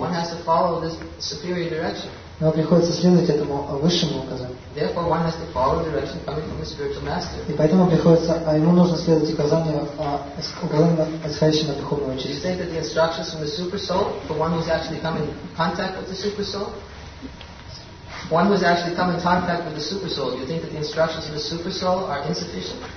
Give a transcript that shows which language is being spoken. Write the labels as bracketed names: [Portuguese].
[English] one has to follow this superior direction. [Russian] Но приходится следовать этому высшему указанию. [English] Therefore, one has to follow the direction coming from the spiritual master. [Russian] И поэтому приходится, а ему нужно следовать указанию, указанию исходящему от духовного учителя. [English] You say that the instructions from the super soul for one who's actually come in contact with the super soul. One who has actually come in contact with the super soul, you think that the instructions of the super soul are insufficient?